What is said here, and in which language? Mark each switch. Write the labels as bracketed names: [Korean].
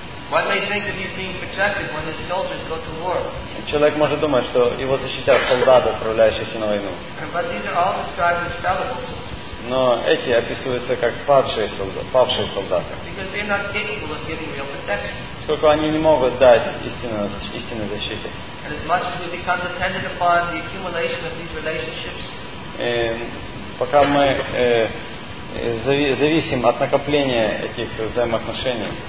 [English] One may think that he's being protected when his soldiers go to war. [Russian] Человек может думать, что его защитят солдаты, отправляющиеся на войну. [English] But these are all described as fallible soldiers. [Russian] Но эти описываются как павшие солдаты. [English] Because they're not capable of giving real protection. [Russian] Сколько они не могут дать истинной защиты. [English] And as much as we become dependent upon the accumulation of these relationships. [Russian] Пока мы зависим от накопления этих взаимоотношений.